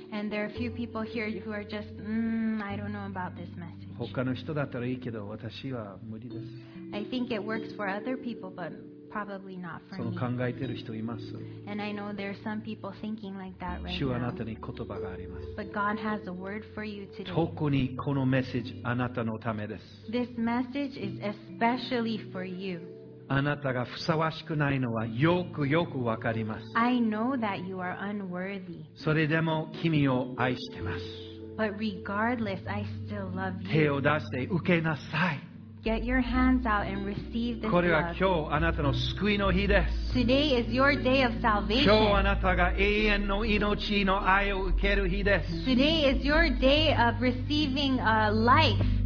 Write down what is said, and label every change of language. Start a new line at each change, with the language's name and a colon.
English: And there are a few people here who are just, I don't know about this message.
Japanese: 他の人だったらいいけど、私は無理です。
English: I think it works for other people, but probably not for me.
Japanese: その考えてる人います。
English: And I know there are some people thinking like that right now.
Japanese: 主はあなたに言葉があります。
English: But God has a word for you today.
Japanese: 特にこのメッセージ、あなたのためです。
English: This message is especially for you.
Japanese: あなたがふさわしくないのはよくよくわかります。
English: I know that you are unworthy.
Japanese: それでも君を愛してます。
English: But regardless, I still love you.
Japanese: 手を出して受けなさい。
English: Get your hands out and receive this
Japanese: これは今日あなたの救いの日です。
English: Today is your day of salvation.
Japanese: 今日あなたが永遠の命の愛を受ける日です。
English: Today is your day of receiving a life.